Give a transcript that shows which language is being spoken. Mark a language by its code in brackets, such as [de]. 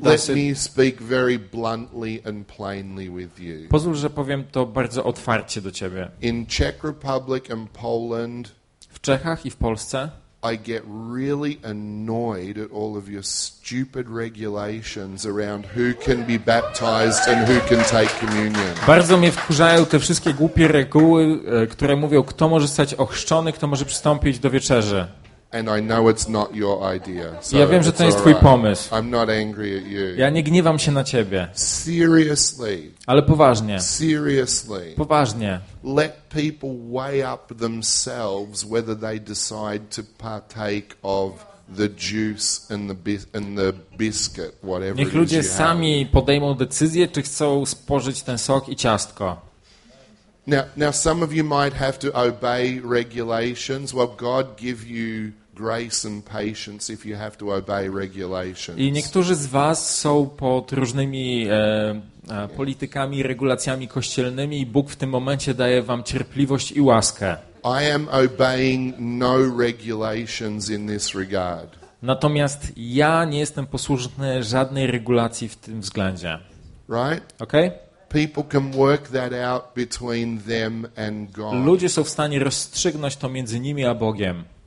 [en] Let me speak very bluntly and plainly with you. [pl] Pozwól, że powiem to bardzo otwarcie do ciebie. [en] In Czech Republic and Poland, [pl] w Czechach i w Polsce, [en] I get really annoyed at all of your stupid regulations around who can be baptized and who can take communion. [pl] Bardzo mnie wkurzają te wszystkie głupie reguły, które mówią, kto może zostać ochrzczony, kto może przystąpić do wieczerzy. [en] And I know it's not your idea. So [pl] ja wiem, że to jest twój pomysł. [en] I'm not angry at you. [pl] Ja nie gniewam się na ciebie. [en] Seriously. [pl] Ale poważnie. [en] Seriously. [pl] Poważnie. [en] Let people weigh up themselves whether they decide to partake of the juice and the biscuit, whatever. [pl] Niech ludzie sami podejmą decyzję, czy chcą spożyć ten sok i ciastko. [en] Now some of you might have to obey regulations. Well, God give you grace and patience if you have to obey regulations. [pl] I niektórzy z was są pod różnymi politykami, regulacjami kościelnymi i Bóg w tym momencie daje wam cierpliwość i łaskę. [en] I am obeying no regulations in this regard. [pl] Natomiast ja nie jestem posłuszny żadnej regulacji w tym względzie. [en] right? Okay. People can work that out between them and God. [pl] Ludzie są w stanie rozstrzygnąć to między nimi a Bogiem.